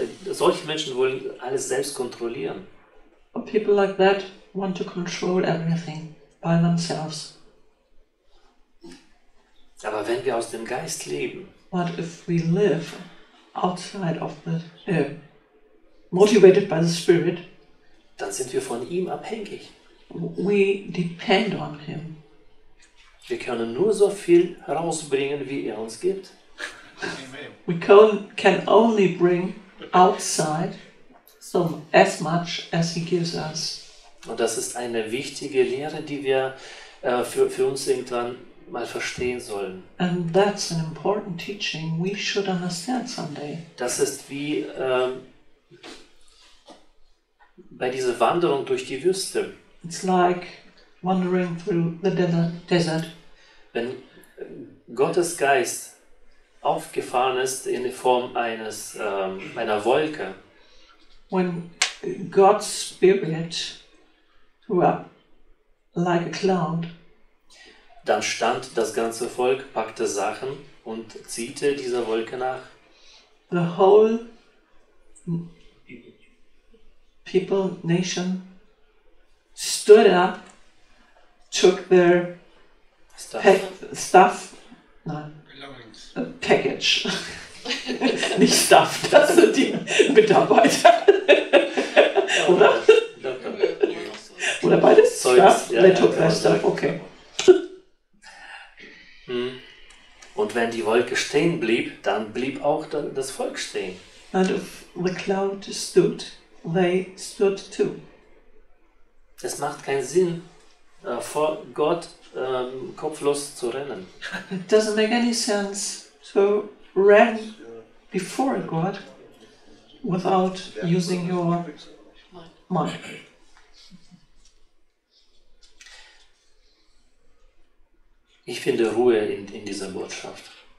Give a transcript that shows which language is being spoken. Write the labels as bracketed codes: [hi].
[de] Solche Menschen wollen alles selbst kontrollieren. [en] And people like that want to control everything by themselves. [de] Aber wenn wir aus dem Geist leben, [en] what if we live outside of the motivated by the Spirit, [de] dann sind wir von ihm abhängig. [en] We depend on him. [de] Wir können nur so viel herausbringen, wie er uns gibt. [en] We can only bring outside so as much as he gives us. [de] Und das ist eine wichtige Lehre, die wir für uns irgendwann mal verstehen sollen. [en] And that's an important teaching we should understand someday. [de] Das ist wie bei dieser Wanderung durch die Wüste. [en] It's like wandering through the desert. [de] Wenn Gottes Geist aufgefahren ist in Form eines einer Wolke. [en] When God's Spirit grew up like a cloud. [de] Dann stand das ganze Volk, packte Sachen und ziehte dieser Wolke nach. [en] The whole people, nation, stood up, took their stuff, [de] nein, package, nicht stuff, das sind die Mitarbeiter, oder? Oder beides? Zeugs, [en] stuff, ja, they took their stuff, okay. [de] Und wenn die Wolke stehen blieb, dann blieb auch das Volk stehen. [en] And if the cloud stood, they stood too. [de] Es macht keinen Sinn, vor Gott kopflos zu rennen. [en] It doesn't make any sense to run before God without using your mind. [de] Ich finde Ruhe in dieser Botschaft.